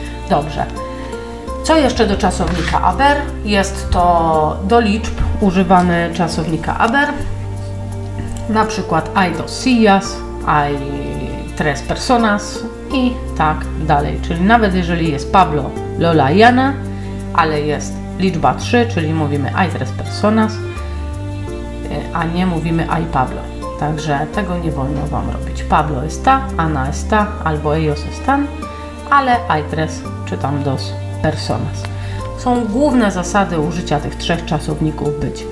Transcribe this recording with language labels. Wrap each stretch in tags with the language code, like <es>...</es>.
<pl>Dobrze, co jeszcze do czasownika haber? Jest to do liczb używany czasownika haber, na przykład</pl> <es>hay dos sillas, hay tres personas</es> <pl>i tak dalej. Czyli nawet jeżeli jest Pablo, Lola i Ana, ale jest liczba 3, czyli mówimy</pl> <es>hay tres personas,</es> <pl>a nie mówimy</pl> <es>ay Pablo.</es> <pl>Także tego nie wolno Wam robić.</pl> <es>Pablo está, Ana está,</es> <pl>albo</pl> <es>ellos están,</es> <pl>ale</pl> <es>hay tres,</es> <pl>czy tam</pl> <es>dos personas.</es> <pl>Są główne zasady użycia tych trzech czasowników być.</pl>